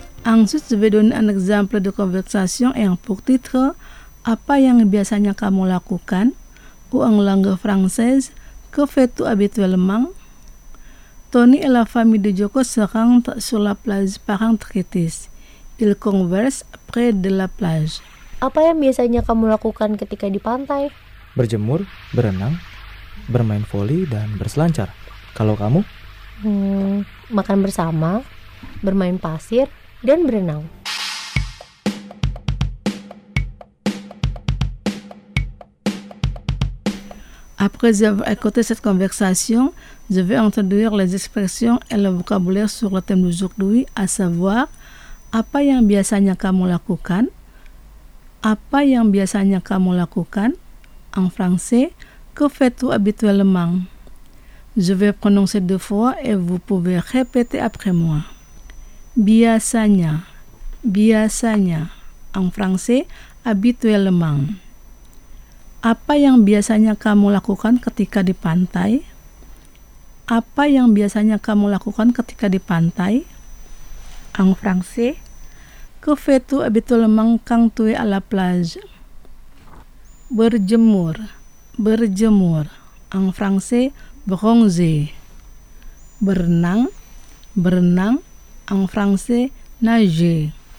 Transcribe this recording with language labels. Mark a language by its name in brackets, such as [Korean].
[French] Ensuite, je vais donner un exemple de conversation et un pour titre « [Indonesian] Apa yang biasanya kamu lakukan ?» [French] ou en langue française « Que fais-tu habituellement ?» Tony et la famille de Joko se rendent sur la plage Parangtritis. Ils conversent près de la plage. [Indonesian] Apa yang biasanya kamu lakukan ketika di pantai? Berjemur, berenang, bermain voli, dan berselancar. Kalau kamu? Makan bersama, bermain pasir, dan berenang. [French] Après avoir écouté cette conversation, je vais introduire les expressions et le vocabulaire sur le thème d'aujourd'hui, à savoir [Indonesian] apa yang biasanya kamu lakukan? Apa yang biasanya kamu lakukan? [French] En français, que fais-tu habituellement? Je vais prononcer deux fois et vous pouvez répéter après moi. Biasanya, biasanya, en français, habituellement. [Indonesian] Apa yang biasanya kamu lakukan ketika di pantai? Apa yang biasanya kamu lakukan ketika di pantai? [French] En français, que fais-tu habituellement quand tu es à la plage? Berjemur, berjemur, en français, bronzer. Berenang, berenang, en français, nager.